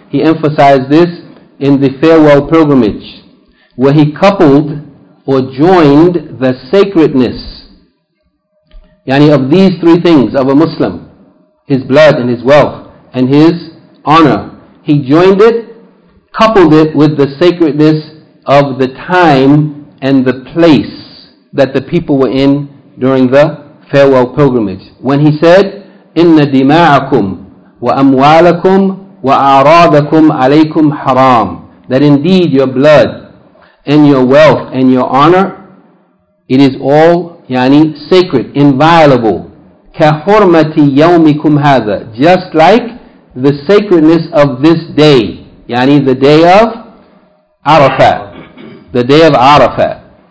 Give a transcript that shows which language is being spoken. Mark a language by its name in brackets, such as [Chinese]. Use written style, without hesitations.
[English] He emphasized this in the farewell pilgrimage, where he coupled or joined the sacredness, yani of these three things of a Muslim, his blood and his wealth and his honor. He joined it, coupled it with the sacredness of the time and the place that the people were in during the farewell pilgrimage. When he said, [Arabic] إِنَّ دِمَاعَكُمْ وَأَمْوَالَكُمْ وَأَعْرَاضَكُمْ عَلَيْكُمْ حَرَامٌ. [English] That indeed your blood and your wealth and your honor, it is all, yani, sacred, inviolable. [Arabic] كَحُرْمَةِ يَوْمِكُمْ هَذَا. [English] Just like the sacredness of this day, yani the day of Arafat, the day of Arafat.